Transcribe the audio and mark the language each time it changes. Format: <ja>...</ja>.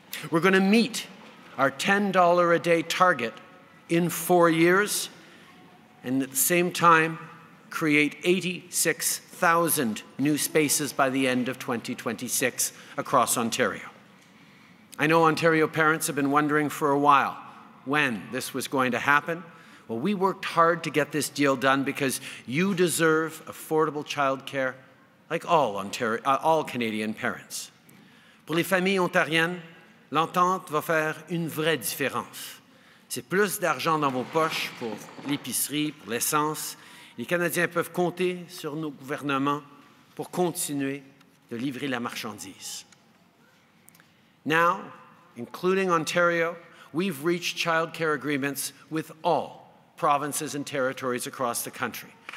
<en>We're going to meet our $10 a day target in 4 years and at the same time create 86,000 new spaces by the end of 2026 across Ontario. I know Ontario parents have been wondering for a while when this was going to happen. Well, we worked hard to get this deal done because you deserve affordable childcare like all Canadian parents.</en> <fr>Pour les familles ontariennes, l'entente va faire une vraie différence. C'est plus d'argent dans vos poches pour l'épicerie, pour l'essence. Les Canadiens peuvent compter sur nos gouvernements pour continuer de livrer la marchandise.</fr> <en>Now, including Ontario, we've reached childcare agreements with all provinces and territories across the country,</en>